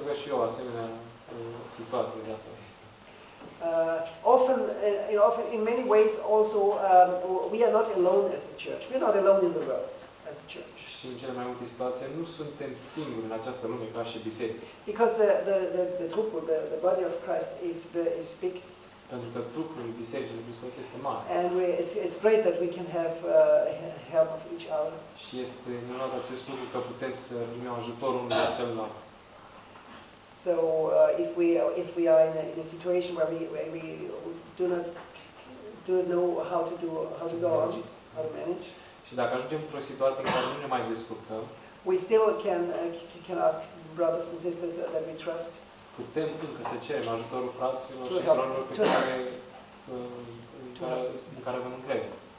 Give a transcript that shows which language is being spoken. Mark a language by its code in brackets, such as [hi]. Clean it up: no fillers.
[en] I would like to see the church. Often, in many ways, also we are not alone as a church. We are not alone in the world as a church. [ro] Și în cele mai multe situații nu suntem singuri în această lume ca și biserică. [en] Because the trupul, the body of Christ is big. [ro] Pentru că trupul bisericii lui Hristos este mare. [en] And it's great that we can have help of each other. [ro] Și este minunat acest lucru că putem să primim ajutorul unul de celălalt. [en] So if we are in a situation where we do not know how to manage. [ro] Și dacă ajungem într-o situație în care nu ne mai descurcăm, [en] we still can ask brothers and sisters that we trust. [ro] Putem încă să cerem ajutorul fraților și surorilor pe care în care avem încredere.